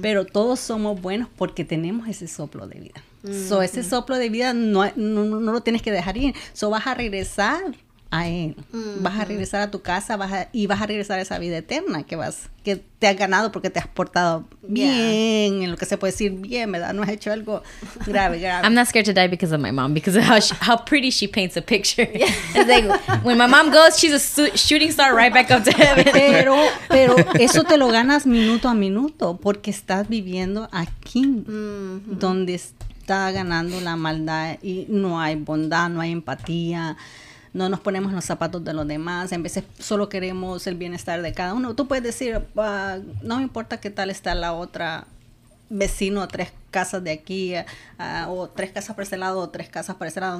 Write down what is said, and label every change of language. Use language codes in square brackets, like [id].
[es] Pero todos somos buenos porque tenemos ese soplo de vida. Mm-hmm. So, ese soplo de vida no lo tienes que dejar ir. So, vas a regresar. A él. Mm-hmm. Vas a regresar a tu casa vas a regresar a esa vida eterna que te has ganado porque te has portado bien, yeah. en lo que se puede decir bien, ¿verdad? No has hecho algo grave. [en] I'm not scared to die because of my mom, because of how pretty she paints a picture. Yeah. It's like, when my mom goes, she's a shooting star right back up to heaven. [es] Pero eso te lo ganas minuto a minuto porque estás viviendo aquí, mm-hmm. donde está ganando la maldad y no hay bondad, no hay empatía. No nos ponemos los zapatos de los demás. En veces solo queremos el bienestar de cada uno. Tú puedes decir, no me importa qué tal está la otra vecino, tres casas de aquí, o tres casas por ese lado, o tres casas por ese lado.